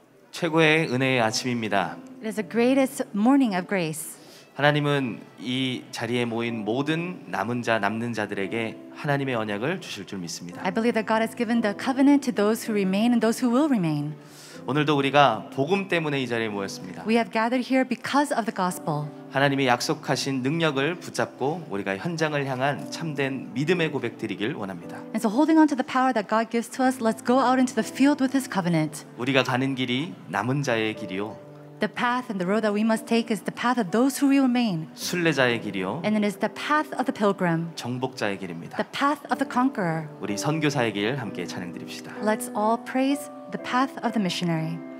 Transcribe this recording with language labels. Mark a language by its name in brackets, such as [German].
[Korean] 최고의 은혜의 아침입니다. [English] It is the greatest morning of grace. [Korean] 하나님은 이 자리에 모인 모든 남은 자, 남는 자들에게 하나님의 언약을 주실 줄 믿습니다. [English] I believe that God has given the covenant to those who remain and those who will remain. [Korean] 오늘도 우리가 복음 때문에 이 자리에 모였습니다. [English] We have gathered here because of the gospel. [Korean] 하나님이 약속하신 능력을 붙잡고 우리가 현장을 향한 참된 믿음의 고백 드리길 원합니다. [English] And so holding on to the power that God gives to us, let's go out into the field with his covenant. [Korean] 우리가 가는 길이 남은 자의 길이요. [English] The path and the road that we must take is the path of those who remain. [Korean] 순례자의 길이요. [English] And it is the path of the pilgrim. [Korean] 정복자의 길입니다. [English] The path of the conqueror. [Korean] 우리 선교사의 길 함께 찬양 드립시다. [English] Let's all praise the path of the missionary.